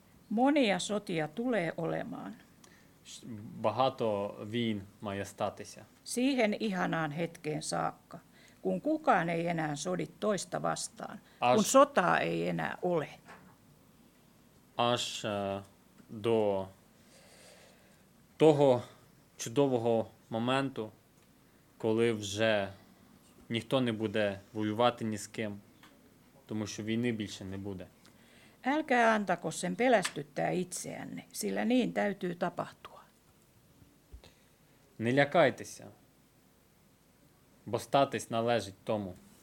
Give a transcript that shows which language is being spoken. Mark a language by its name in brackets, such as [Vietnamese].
[Finnish] Monia sotia tulee olemaan. [Ukrainian] Багато війн має статися. [Finnish] Siihen ihanaan hetkeen saakka. Kun kukaan ei enää sodi toista vastaan, kun sotaa ei enää ole. [Ukrainian] Аж до того чудового моменту, коли вже ніхто не буде воювати ні з ким, тому що війни більше не буде. [Finnish] Älkää antako sen pelästyttää itseänne, sillä niin täytyy tapahtua. [Ukrainian] Не лякайтеся, бо статись належить тому.